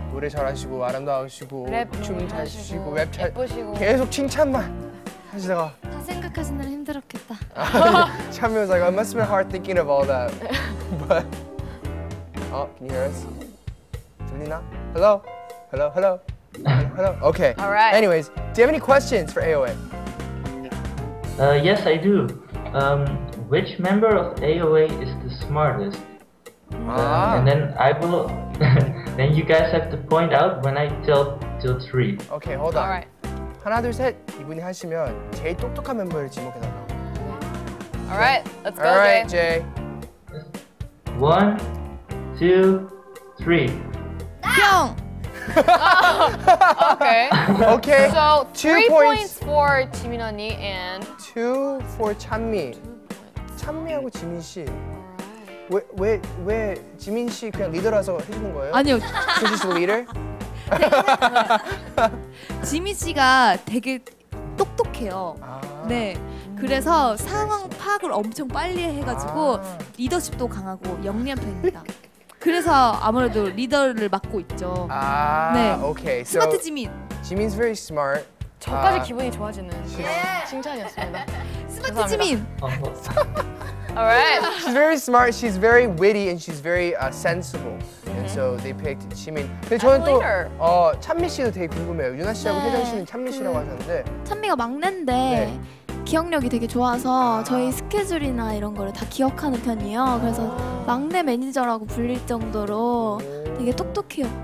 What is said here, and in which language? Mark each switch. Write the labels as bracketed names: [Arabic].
[Korean] 노래 잘하시고 아름다우시고 춤 잘하시고 랩 잘 예쁘시고 계속 칭찬만 하시다가 다 생각하신 날 힘들었겠다. [English] Chanmi was like, I must have been hard thinking of all that. But can you hear us? [Korean] 들리나? [English] Hello. Hello, hello. Hello. Okay. All right. Anyways, do you have any questions for AOA? Yes, I do. Which member of AOA is the smartest? And then I will. Then you guys have to point out when I tell till three. Okay, hold on. Alright. [Korean] 하나 둘 셋 이분이 하시면 제일 똑똑한 멤버를 지목해 달라. [English] Alright, let's go, Jay. Alright, Jay. 1, 2, 3. [Korean] 형. [English] Okay. Okay. So 3 points for Jimin Honey and 2 for Chanmi. Chanmi [Korean] 하고 [English] Jimin 씨. [Korean] 왜 지민 씨 그냥 리더라서 해주는 거예요? 아니요. [English] Cause he's the leader? [Korean] 지민 씨가 되게 똑똑해요. 아, 네. 그래서 상황 파악을 엄청 빨리 해가지고 리더십도 강하고 영리한 편입니다. 그래서 아무래도 리더를 맡고 있죠. 아, 네. [English] Okay. 스마트 so, 지민. Jimin's very smart. [Korean] 저까지 기분이 좋아지는 칭찬이었습니다. [English] 스마트 지민! Alright. She's very smart, she's very witty, and she's very sensible. Mm-hmm. And so they picked Jimin. But I'm [Korean] 저는 [English] later. [Korean] 또 찬미 씨도 되게 궁금해요. 유나 씨하고 혜정 씨는 찬미 씨라고 하셨는데 찬미가 막내인데 네. 기억력이 되게 좋아서 저희 스케줄이나 이런 거를 다 기억하는 편이에요. 그래서 막내 매니저라고 불릴 정도로 되게 똑똑해요.